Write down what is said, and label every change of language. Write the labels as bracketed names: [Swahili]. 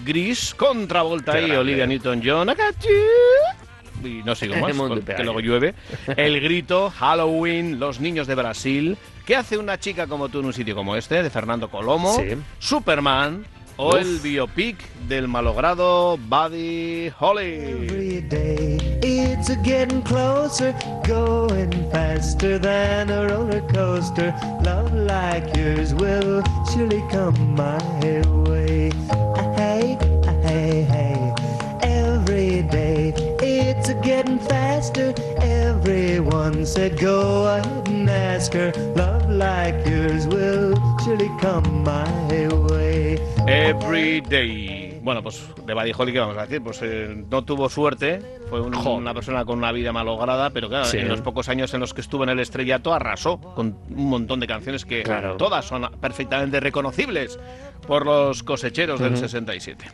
[Spanish] Gris, Contravolta y Olivia Newton-John. Y no sigo más, que luego llueve. El grito, Halloween, Los niños de Brasil... ¿Qué hace una chica como tú en un sitio como este, de Fernando Colomo, Superman o el biopic del malogrado Buddy Holly? [English] Every day it's a getting closer, going faster than a roller coaster. Love like yours will surely come my way. Hey, hey, hey. Every day it's a getting faster. Everyone said go ahead and ask her. Love like yours will surely come my way. Every day. [Spanish] Bueno, pues de Buddy Holly, ¿qué vamos a decir? Pues no tuvo suerte, fue una persona con una vida malograda, pero claro, en los pocos años en los que estuvo en el estrellato arrasó con un montón de canciones que todas son perfectamente reconocibles por los cosecheros del 67.